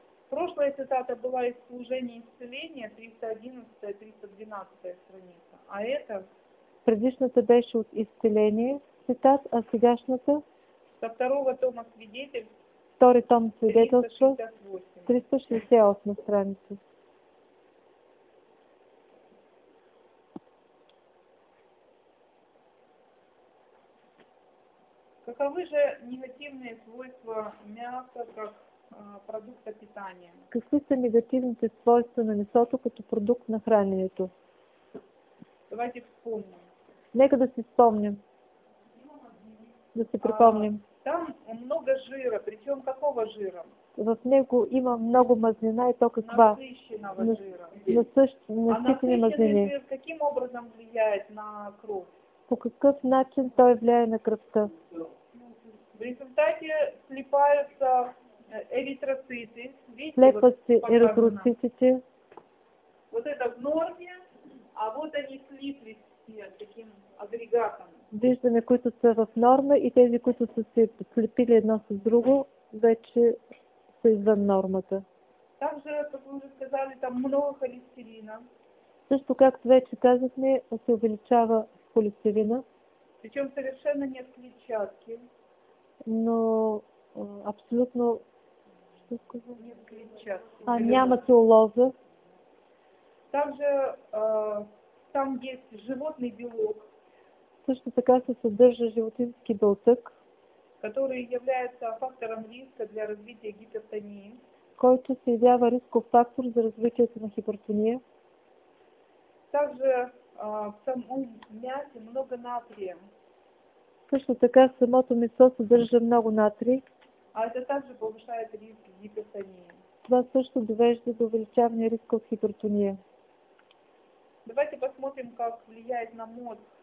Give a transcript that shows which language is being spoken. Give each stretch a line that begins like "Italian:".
Russian: Прошлая цитата была из служения исцеления, 311-312 страница. А это?
Bulgarian: Предишната беше от исцеление, цитат, а сегашната?
Russian: Со второго тома свидетельств. Второй том свидетельства, 368 страница. Каковы же негативные свойства мяса как продукта питания?
Bulgarian: Какви са негативните свойства на месото като продукт на храненето?
Russian: Давайте вспомним.
Bulgarian: Нека да си спомним. Да си припомним.
Russian: Там много жира, причем какого жира?
Bulgarian: В него има много мазнина и то каква?
Russian: Насыщенного жира. Насыщенный
Bulgarian: мазнин.
Russian: А жир каким образом влияет на кровь?
Bulgarian: По какъв начин той влияет на кръвта?
Russian: В результате слипаются эритроциты.
Bulgarian: Слепятся эритроциты.
Russian: Вот это в норме, а вот они слиплись таким агрегатом.
Bulgarian: Виждаме, които са в норма и тези, които са се слепили едно с друго, вече са извън нормата.
Russian: Также, как вы уже сказали, там много холестерина.
Bulgarian: Също, както вече казахме, се увеличава холестерина.
Russian: Причем совершенно нет клетчатки.
Bulgarian: Но абсолютно...
Russian: Что сказать? Нет клетчатки.
Bulgarian: Няма целулоза.
Russian: Также там есть животный белок.
Bulgarian: Също така се съдържа животински белтък,
Russian: который является фактором риска для развития гипертонии,
Bulgarian: който се явява рисков фактор за развитието на хипертония.
Russian: Также в самом мясе много натрия.
Bulgarian: Също така самото месо съдържа много натрий.
Russian: А это также повышает риск гипертонии.
Bulgarian: Това също довежда до увеличаване риска от хипертония.
Russian: Давайте посмотрим, как влияет на мозг.